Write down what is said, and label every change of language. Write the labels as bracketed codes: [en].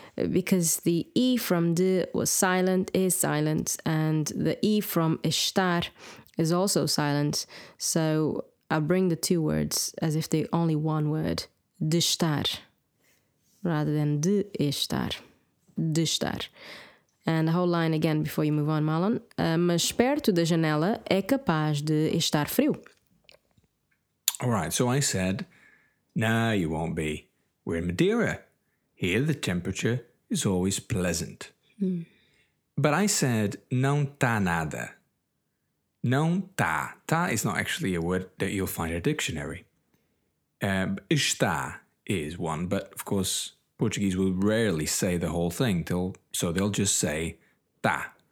[en] Because the E from de was silent, is silent, and the E from estar is also silent. So I bring the two words as if they're only one word, de estar, rather than de estar, de estar. And the whole line again before you move on, Marlon. [pt] Mas perto da janela é capaz de estar frio. [en] All right, so I said, no, you won't be. We're in Madeira. Here the temperature is always pleasant. But I said, [pt] não tá nada. Não tá. [en] Tá is not actually a word that you'll find in a dictionary. Está is one, but of course Portuguese will rarely say the whole thing, so they'll just say tá.